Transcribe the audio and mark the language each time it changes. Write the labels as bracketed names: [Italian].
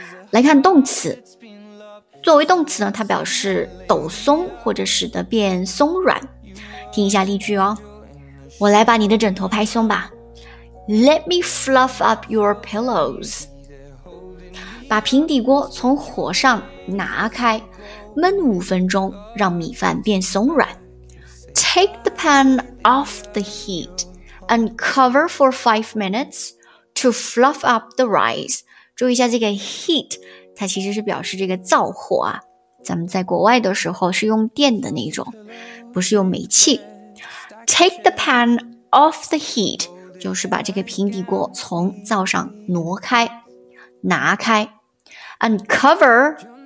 [Chinese] 来看动词，作为动词呢，它表示抖松或者使得变松软。听一下例句哦，我来把你的枕头拍松吧。 [English] Let me fluff up your pillows. [Chinese] 把平底锅从火上拿开。焖五分钟，让米饭变松软。 [English] Take the pan off the heat and cover for 5 minutes to fluff up the rice. [Chinese] 注意一下这个 heat， 它其实是表示这个灶火啊。咱们在国外的时候是用电的那种，不是用煤气。 [English] Take the pan off the heat [Chinese] 就是把这个平底锅从灶上挪开，拿开。 [English] And cover...